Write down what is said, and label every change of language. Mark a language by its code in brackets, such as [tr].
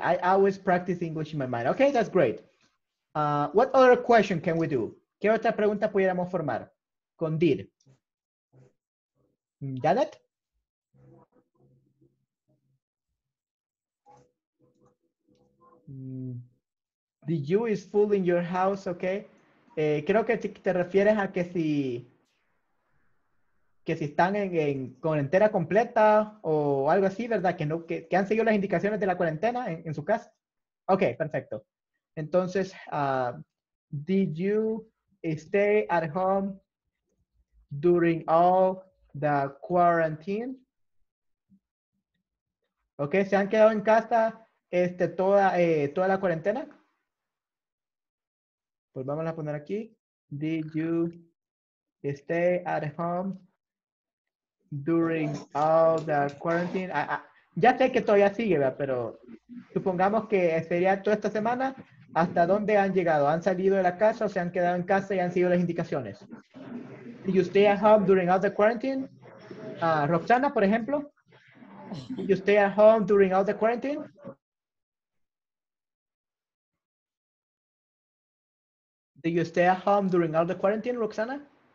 [en] I always practice English in my mind. Okay, that's great. What other question can we do? [es] ¿Qué otra pregunta pudiéramos formar con did? Janet? [en] The you is full in your house, okay? [es] Creo que te refieres a que si están en cuarentena completa o algo así, ¿verdad? Que no que han seguido las indicaciones de la cuarentena en su casa. Okay, perfecto. [en] Entonces, did you stay at home during all the quarantine? [es] Okay, ¿se han quedado en casa toda la cuarentena? Pues vamos a poner aquí. [en] Did you stay at home during all the quarantine? [es] Ya sé que todavía sigue, ¿verdad? Pero supongamos que sería toda esta semana. ¿Hasta dónde han llegado? ¿Han salido de la casa o se han quedado en casa y han seguido las indicaciones? [en] Did you stay at home during all the quarantine? Roxana, [es] por ejemplo. [en] Did you stay at home during all the quarantine? Did you stay at home during all the quarantine, Roxana?